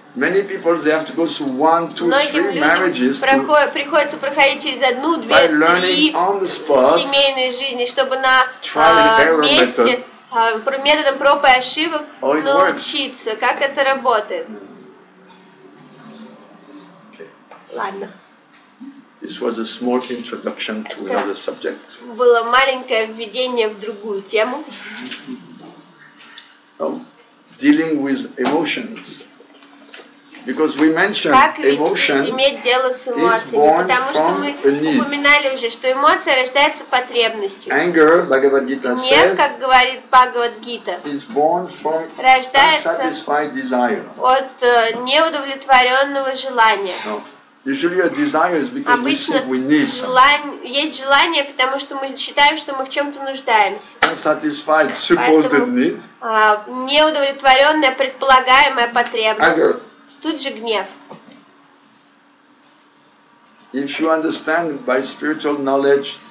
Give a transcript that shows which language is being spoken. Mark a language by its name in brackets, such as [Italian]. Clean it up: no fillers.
[English] Many people they have to go through one, two, three marriages. [Russian] Приходится проходить через одну, две, три семейные жизни, чтобы на месте методом проб и ошибок научиться, как это работает. Ладно. [English] This was a small introduction to another subject. [Russian] Было маленькое введение в другую тему. [English] Dealing with emotions. Because we mentioned emotion is born from a need. [Russian] Упоминали уже, что эмоция рождается потребностью. [English] Anger, Bhagavad Gita says. [Russian] Нет, как говорит Бхагавад Гита. [English] Is born from unsatisfied desire. [Russian] От неудовлетворенного желания. [English] Usually a desire is because we think we need something. [Russian] Есть желание, потому что мы считаем, что мы в чем-то нуждаемся. [English] Unsatisfied supposed need. [Russian] Неудовлетворенная предполагаемая потребность. Тут же гнев. [English] If you understand by spiritual knowledge.